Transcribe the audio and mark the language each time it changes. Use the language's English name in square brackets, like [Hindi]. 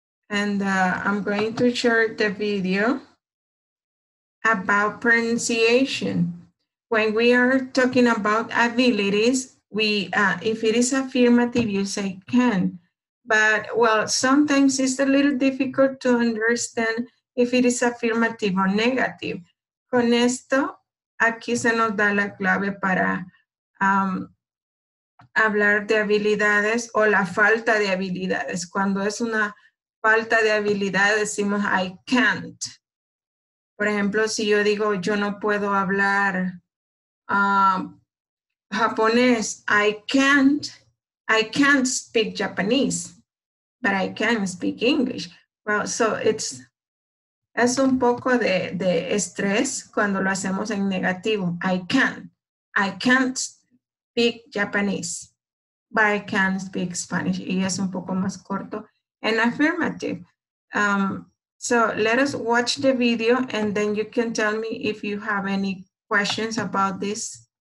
[English] And I'm going to share the video about pronunciation. When we are talking about abilities, if it is affirmative, you say can. But, well, sometimes it's a little difficult to understand if it is affirmative or negative. [Spanish] Con esto, aquí se nos da la clave para hablar de habilidades o la falta de habilidades. Cuando es una falta de habilidad, decimos [English] I can't. [Spanish] Por ejemplo, si yo digo yo no puedo hablar Japanese, [English] I can't speak Japanese, but I can speak English. Well, so [Spanish] es un poco de estrés cuando lo hacemos en negativo. [English] I can't speak Japanese, but I can speak Spanish. [Spanish] Y es un poco más corto en affirmative. [English] So let us watch the video and then you can tell me if you have any questions about this.